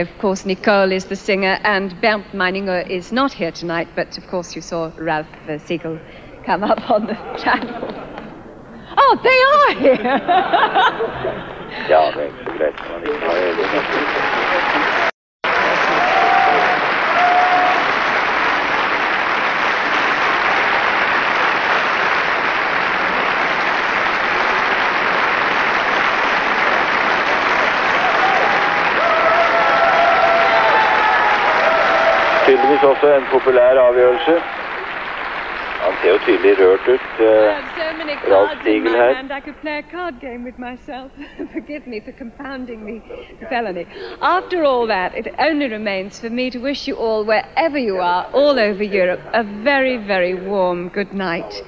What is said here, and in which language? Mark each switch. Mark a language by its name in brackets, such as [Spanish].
[English] Of course, Nicole is the singer, and Bernd Meininger is not here tonight, but of course you saw Ralph Siegel come up on the channel. Oh, they are here! [Norwegian] Ja, det ikke så greit når man ikke har øyne. Tydeligvis også en populær avgjørelse. Han Han ser jo tydelig rørt ut. Ralf Stigel her. [English] I could play a card game with myself. Forgive me for compounding the felony. After all that, it only remains for me to wish you all, wherever you are, all over Europe, a very, very warm good night.